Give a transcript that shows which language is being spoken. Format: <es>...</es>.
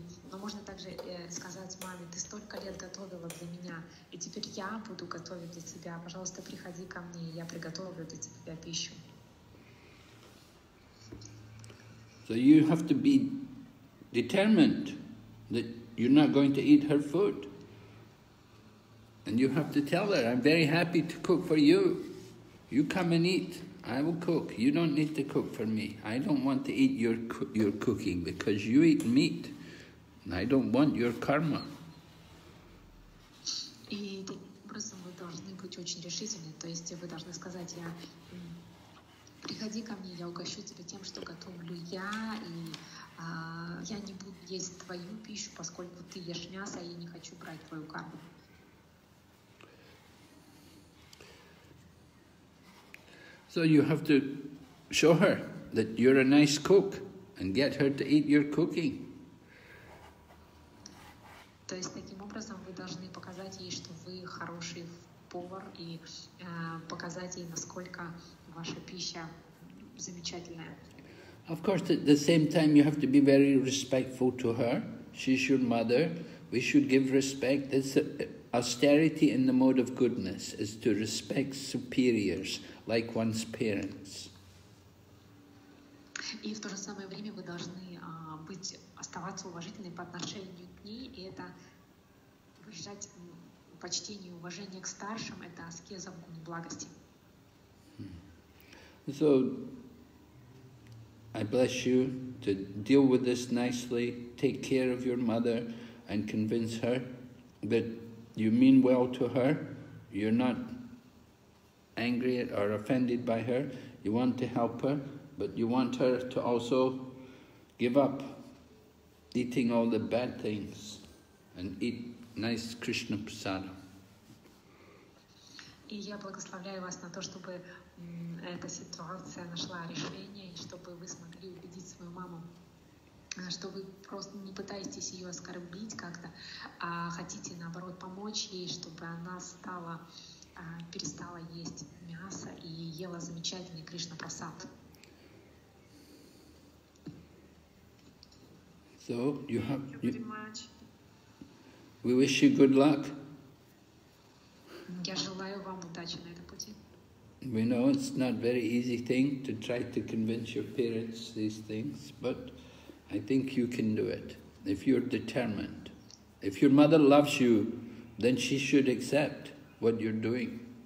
<ru>Но можно также сказать маме, ты столько лет готовила для меня, и теперь я буду готовить для тебя. Пожалуйста, приходи ко мне, и я приготовлю для тебя пищу.</ru> <en>So you have to be determined that you're not going to eat her food. And you have to tell her, I'm very happy to cook for you. You come and eat. I will cook. You don't need to cook for me. I don't want to eat your cooking because you eat meat. And I don't want your karma.</en> <ru>И таким образом вы должны быть очень решительны. То есть вы должны сказать, я приходи ко мне, я угощу тебя тем, что готовлю я, и я не буду есть твою пищу, поскольку ты ешь мясо, а я не хочу брать твою карму.</ru> <en>So you have to show her that you're a nice cook and get her to eat your cooking.</en> <ru>То есть таким образом вы должны показать ей, что вы хороший повар, и показать ей, насколько ваша пища замечательная.</ru> <en>Of course, at the same time, you have to be very respectful to her. She's your mother. We should give respect. It's austerity in the mode of goodness is to respect superiors, like one's parents.</en> <ru>И в то же самое время вы должны оставаться уважительны по отношению к ней, и это выражать почтение и уважение к старшим, это аскеза благости.</ru> <en>So, I bless you to deal with this nicely, take care of your mother and convince her that you mean well to her, you're not angry at or offended by her, you want to help her, but you want her to also give up eating all the bad things and eat nice Krishna prasadam.</en> <ru>И я благословляю вас на то, чтобы эта ситуация нашла решение, и чтобы вы смогли убедить свою маму, что вы просто не пытаетесь ее оскорбить как-то, а хотите, наоборот, помочь ей, чтобы она перестала есть мясо и ела замечательный Кришна-прасад.</ru> <en>So, you have... We wish you good luck.</en> <ru>Я желаю вам удачи на этом пути.</ru> <en>We know it's not very easy thing to try to convince your parents these things, but I think you can do it if you're determined. If your mother loves you, then she should accept what you're doing.</en>